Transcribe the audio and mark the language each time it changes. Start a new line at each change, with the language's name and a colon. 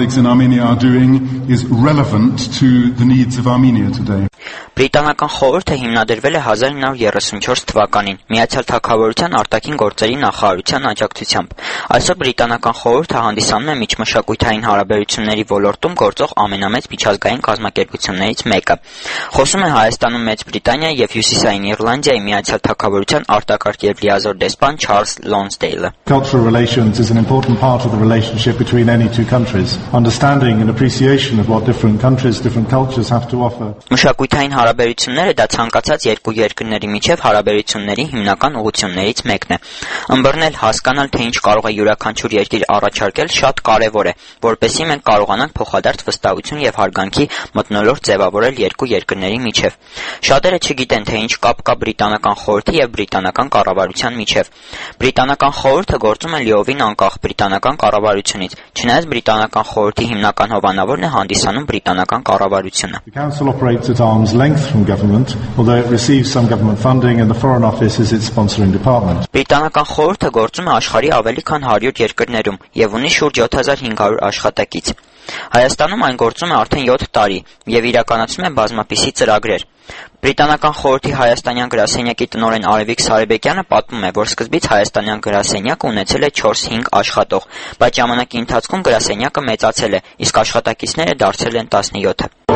English: To the needs of Armenia today.
Armenian: Բրիտանական խորհուրդը հիմնադրվել է 1934 թվականին Միացյալ Թագավորության արտաքին գործերի նախարարության աջակցությամբ։ Այսօր բրիտանական խորհուրդը հանդիսանում է միջմշակութային հարաբերությունների ոլորտում գործող ամենամեծ միջազգային կազմակերպություններից մեկը։ Խոսում է Հայաստանում Մեծ Բրիտանիա եւ Հյուսիսային Իռլանդիայի Միացյալ Թագավորության արտակարգ եւ լիազոր դեսպան Չարլզ Լոնսդեյլը։
English: Cultural relations is an important part of the relationship between any two countries. Understanding and appreciation of what different countries, different cultures have to offer.
Armenian: Մշակութային հարաբերությունները դա ցանկացած երկու երկրների միջև հարաբերությունների հիմնական ուղություններից մեկն է։ Ըմբռնել, հասկանալ, թե ինչ կարող է յուրաքանչյուր երկիր առաջարկել, շատ կարևոր է, որպեսզի մենք կարողանանք փոխադարձ վստահություն եւ հարգանքի մտնոլորտ ձևավորել երկու երկրների միջև։ Շատերը չգիտեն, թե ինչ կապ կա բրիտանական խորհրդի եւ բրիտանական կառավարության միջև։ Բրիտանական խորհուրդը գործում է լիովին անկախ բրիտանական կառավարությունից, չնայած բրիտանական խորհրդի հիմնական հովանավորն է հանդիսանում բրիտանական կառավարությունը։
English: At arm's length from government, although it receives some government funding and the Foreign Office is its sponsoring department.
Armenian: Բրիտանական խորհուրդը գործում է աշխարի ավելի քան 100 երկրներում եւ ունի շուրջ 7500 աշխատակից։ Հայաստանում այն գործում է արդեն 7 տարի եւ իրականացում է բազմապիսի ծրագրեր։ Բրիտանական խորհրդի հայաստանյան գրասենյակի տնօրեն Արևիկ Սարիբեկյանը պատմում է, որ սկզբից հայաստանյան գրասենյակը ունեցել է 4-5 աշխատող, բայց ժամանակի ընթացքում գրասենյակը մեծացել է, իսկ աշխատակիցները դարձել են 17-ը։